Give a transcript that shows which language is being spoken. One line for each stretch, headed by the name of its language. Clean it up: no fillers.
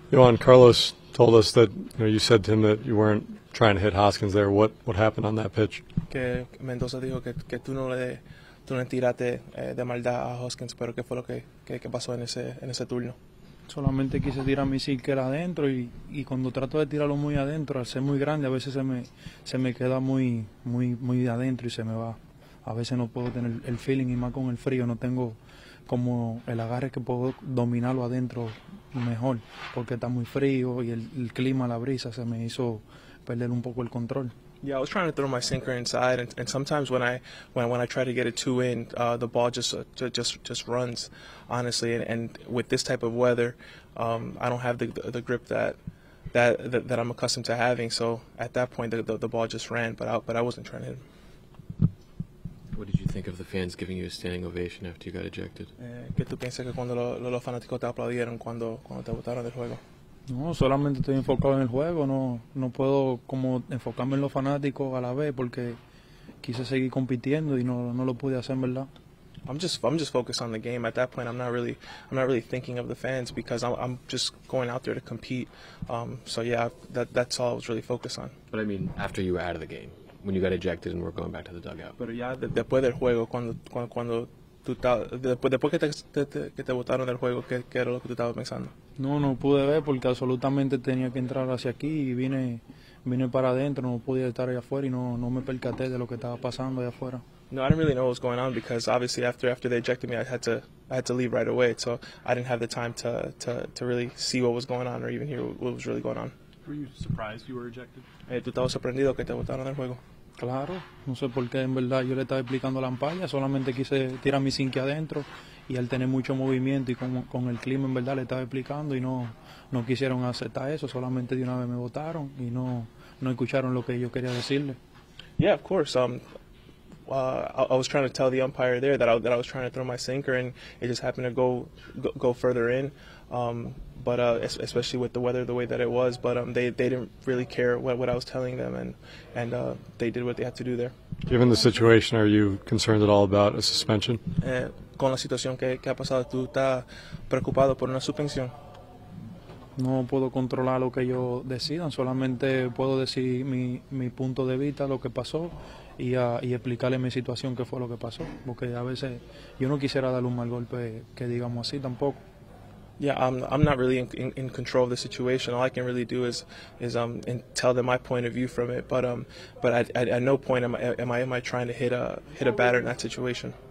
English: Yohan, Carlos told us that, you know, you said to him that you weren't trying to hit Hoskins there. What happened on that pitch?
Spanish: Que Mendoza dijo que tú no tiraste de maldad a Hoskins, pero qué fue lo que pasó en ese turno. Solamente quise tirar mi sinker adentro y cuando trato de tirarlo muy adentro, al ser muy grande, a veces se me queda muy muy muy adentro y se me va. A veces no puedo tener el feeling y más con el frío no tengo como el agarre que puedo dominarlo adentro mejor porque está muy frío y el clima, la brisa se me hizo perder un poco el control.
English: Yeah, I was trying to throw my sinker inside, and sometimes when I try to get it too in, the ball just runs, honestly. And with this type of weather, I don't have the grip that I'm accustomed to having. So at that point, the ball just ran, but I wasn't trying to hit him. What did you think of the fans giving you a standing ovation after you got ejected?
Spanish: ¿Qué tú piensas que cuando los fanáticos te aplaudieron cuando te botaron del juego? No, solamente estoy enfocado en el juego, no puedo como enfocarme en los fanáticos a la vez porque quise seguir compitiendo y no lo pude hacer, ¿verdad?
English: I'm just focused on the game. At that point, I'm not really thinking of the fans because I'm just going out there to compete. So yeah, that's all I was really focused on. But I mean, after you were out of the game, when you got ejected and we're going back to the dugout.
Spanish: Pero ya después del juego cuando después que te botaron del juego, ¿qué era lo que tú estabas pensando? No pude ver porque absolutamente tenía que entrar hacia aquí y vine para adentro, no podía estar allá afuera y no me percaté de lo que estaba pasando allá afuera.
English: No, I didn't really know what was going on because obviously after they ejected me, I had to leave right away, so I didn't have the time to really see what was going on or even hear what was really going on. Were you surprised you were ejected?
Spanish: ¿Tú estabas sorprendido que te botaron del juego? Claro, no sé por qué en verdad yo le estaba explicando la ampalla, solamente quise tirar mi sinque adentro y al tener mucho movimiento y con el clima en verdad le estaba explicando y no quisieron aceptar eso, solamente de una vez me botaron y no escucharon lo que yo quería decirle.
English: Yeah, of course. I was trying to tell the umpire there that I was trying to throw my sinker and it just happened to go further in. But especially with the weather the way that it was, but they didn't really care what I was telling them, and they did what they had to do there. Given the situation, are you concerned at all about a suspension?
Spanish: Con la situación que ha pasado, ¿tú estás preocupado por una suspensión? No puedo controlar lo que ellos decidan, solamente puedo decir mi punto de vista, lo que pasó, y explicarle mi situación, qué fue lo que pasó, porque a veces yo no quisiera darle un mal golpe, que digamos así, tampoco.
English: Yeah, I'm not really in control of the situation. All I can really do is and tell them my point of view from it. But at no point am I trying to hit a batter in that situation.